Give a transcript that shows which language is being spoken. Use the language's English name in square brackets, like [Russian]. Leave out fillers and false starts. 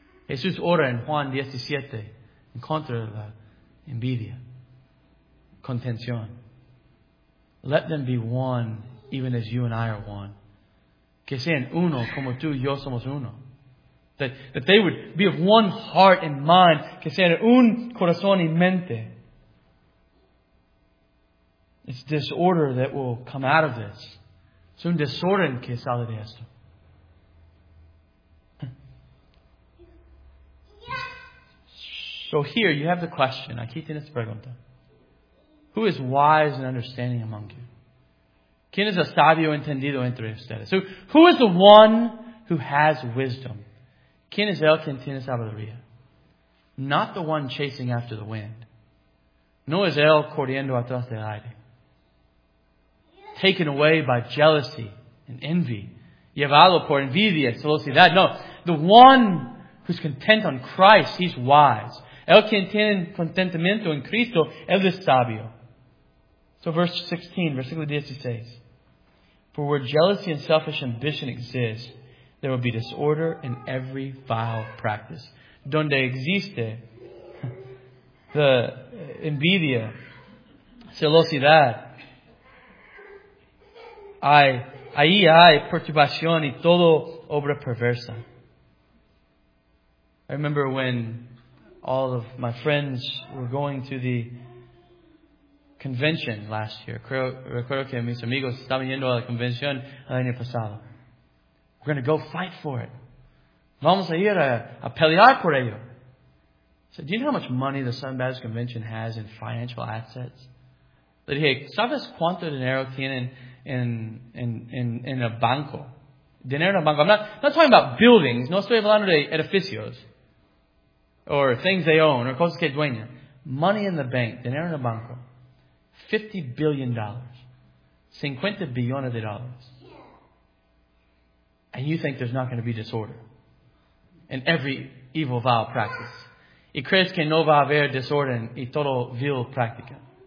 [Spanish] Jesús ora en Juan 17 en contra de la envidia. Contención. [English] Let them be one, even as you and I are one. [Spanish] Que sean uno, como tú y yo somos uno. [English] That they would be of one heart and mind. [Spanish] Que sean un corazón y mente. [English] It's disorder that will come out of this. [Spanish] Es un desorden que sale de esto. [English] So here, you have the question. [Spanish] Aquí tienes pregunta. [English] Who is wise and understanding among you? [Spanish] ¿Quién es el sabio entendido entre ustedes? [English] Who is the one who has wisdom? [Spanish] ¿Quién es el que tiene sabiduría? [English] not the one chasing after the wind. [Spanish] No es él corriendo atrás del aire. [English] Taken away by jealousy and envy. [Spanish] Llevado por envidia, celosidad. [English] No, the one who's content on Christ, he's wise. [Spanish] El que tiene contentamiento en Cristo, él es sabio. [English] So verse 16, [Spanish] versículo 16. [English] For where jealousy and selfish ambition exist, there will be disorder in every vile practice. [Spanish] Donde existe the envidia, celosidad, ahí hay perturbación y todo obra perversa. [English] I remember when all of my friends were going to the convention last year. [Spanish] Recuerdo que mis amigos estaban yendo a la convención el año pasado. [English] We're going to go fight for it. [Spanish] Vamos a ir a pelear por ello. [English] So, do you know how much money the Southern Baptist Convention has in financial assets? [Spanish] Le dije, ¿sabes cuánto dinero tienen en a banco? Dinero en a banco. [English] I'm not talking about buildings. [Spanish] No estoy hablando de edificios. [English] Or things they own. [Spanish] Or cosas que dueñan. [English] Money in the bank. [Spanish] Dinero en a banco. [English] $50 billion. [Spanish] 50 billones de dólares. [English] And you think there's not going to be disorder in every evil, vile practice. [Spanish] Y crees que no va a haber desorden y todo vil práctica.